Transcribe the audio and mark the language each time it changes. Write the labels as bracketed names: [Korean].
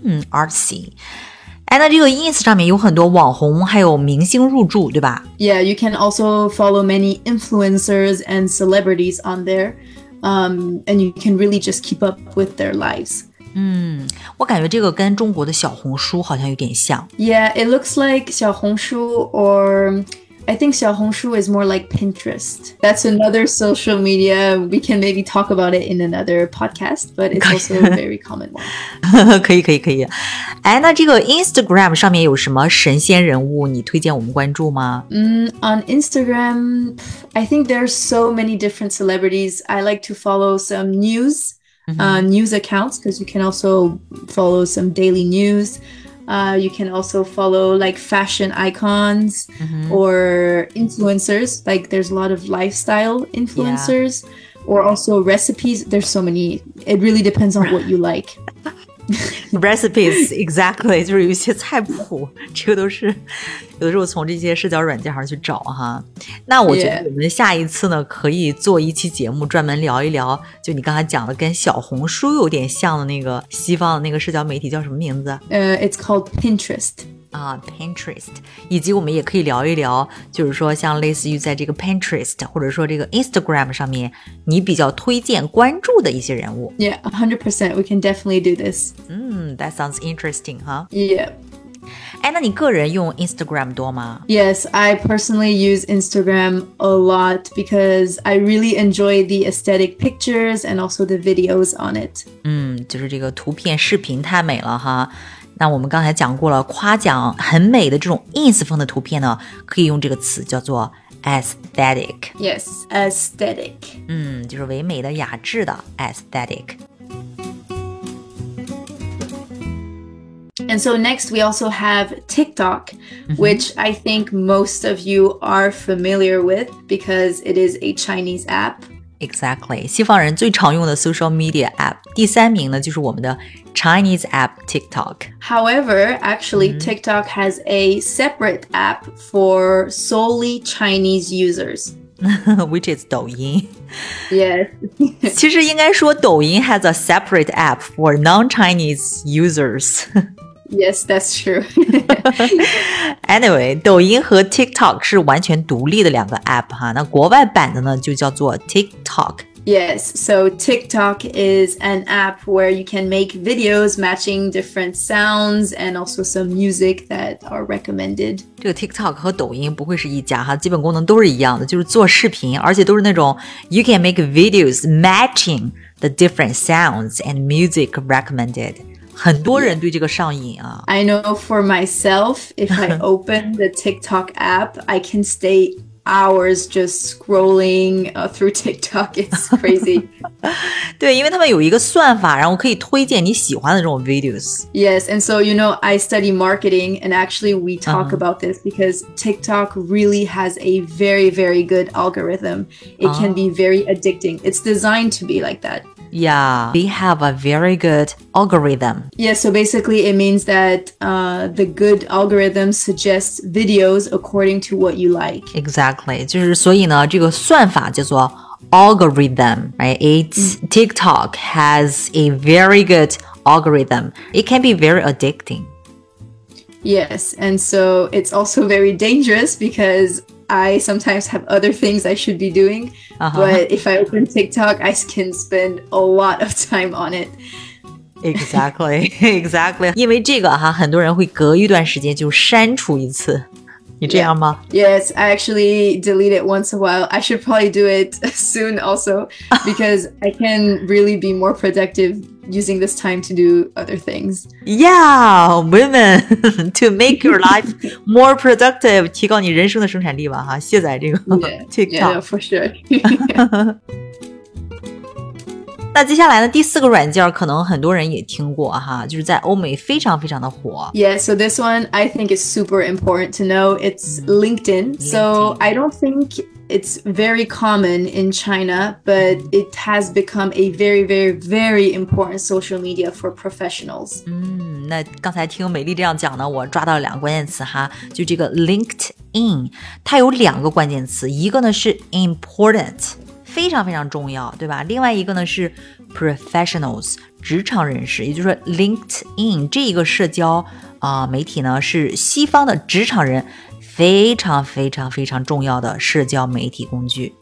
[English] Artsy. [Chinese] 哎，那这个 ins 上面有很多网红还有明星入驻，对吧？ [English] Yeah, you can also follow many influencers and celebrities on there. And you can really just keep up with their lives. [Chinese] 我感觉这个跟中国的小红书好像有点像。 [English] Yeah, it looks like 小红书 or I think 小红书 is more like Pinterest. That's another social media. We can maybe talk about it in another podcast, but it's also a very common one. [Chinese] 可以可以可以。哎，那这个 Instagram 上面有什么神仙人物你推荐我们关注吗？ [English] On Instagram, I think there are so many different celebrities. I like to follow some news. News accounts, because you can also follow some daily news. You can also follow like fashion icons or influencers. Like there's a lot of lifestyle influencers or also recipes. There's so many. It really depends on what you like. recipes, exactly, [Chinese] 就是有一些菜谱，这个都是有的时候从这些社交软件上去找哈。那我觉得我们下一次呢、yeah. 可以做一期节目专门聊一聊，就你刚才讲的跟小红书有点像的那个西方的那个社交媒体叫什么名字？ [English] It's called Pinterest. [Chinese] Pinterest， 以及我们也可以聊一聊，就是说像类似于在这个 Pinterest 或者说这个 Instagram 上面，你比较推荐关注的一些人物。 [English] Yeah, 100%. We can definitely do this. That sounds interesting, huh? Yeah. [Chinese] 哎，那你个人用 Instagram 多吗？ [English] Yes, I personally use Instagram a lot because I really enjoy the aesthetic pictures and also the videos on it. [Chinese] 就是这个图片视频太美了哈。那我们刚才讲过了，夸奖很美的这种 ins 风的图片呢，可以用这个词叫做 aesthetic。 [English] Yes, aesthetic。 [Chinese] 就是唯美的、雅致的 aesthetic。 [English] And so next, we also have TikTok, which I think most of you are familiar with because it is a Chinese app. Exactly, [Chinese] 西方人最常用的 [English] social media app, [Chinese] 第三名呢就是我们的 [English] Chinese app TikTok. However, actually,TikTok has a separate app for solely Chinese users. Which is 抖音. Yes. [Chinese] 其实应该说 [English] 抖音 has a separate app for non-Chinese users. Yes, that's true. [Chinese] Anyway, 抖音和 TikTok 是完全独立的两个 app 哈。那国外版的呢就叫做 TikTok. [English] Yes, so TikTok is an app where you can make videos matching different sounds and also some music that are recommended. [Chinese] 这个 TikTok 和抖音不会是一家哈，基本功能都是一样的，就是做视频，而且都是那种 [English] you can make videos matching the different sounds and music recommended. [Chinese] 很多人对这个上瘾啊。 [English] I know for myself, if I open the TikTok app, I can stay hours just scrolling through TikTok. It's crazy. [Chinese] 对，因为他们有一个算法，然后可以推荐你喜欢的这种 videos. [English] Yes, and so, you know, I study marketing, and actually we talk about this because TikTok really has a very, very good algorithm. It can be very addicting. It's designed to be like that. Yeah, they have a very good algorithm. Yeah, so basically it means that the good algorithm suggests videos according to what you like. Exactly, [Chinese] 就是所以呢，这个算法叫做 algorithm, [English] right? TikTok has a very good algorithm. It can be very addicting. Yes, and so it's also very dangerous because... I sometimes have other things I should be doing, but if I open TikTok, I can spend a lot of time on it. Exactly, exactly. [Chinese] 因为这个哈，很多人会隔一段时间就删除一次。你这样吗？ [English] Yes, I actually delete it once a while. I should probably do it soon also, because I can really be more productive using this time to do other things. Yeah, women, to make your life more productive, [Chinese] 提高你人生的生产力吧，哈，卸载这个 TikTok. [English] Yeah, for sure. [Chinese] 那接下来呢第四个软件可能很多人也听过哈，就是在欧美非常非常的火。 [English] Yeah, so this one I think is super important to know. It's LinkedIn. So I don't think it's very common in China, but it has become a very, very, very important social media for professionals. [Chinese] 那刚才听美丽这样讲呢，我抓到了两个关键词哈，就这个 LinkedIn， 它有两个关键词，一个呢是 important。非常非常重要，对吧？另外一个呢是 professionals， 职场人士，也就是说 LinkedIn 这一个社交、媒体呢是西方的职场人非常非常非常重要的社交媒体工具。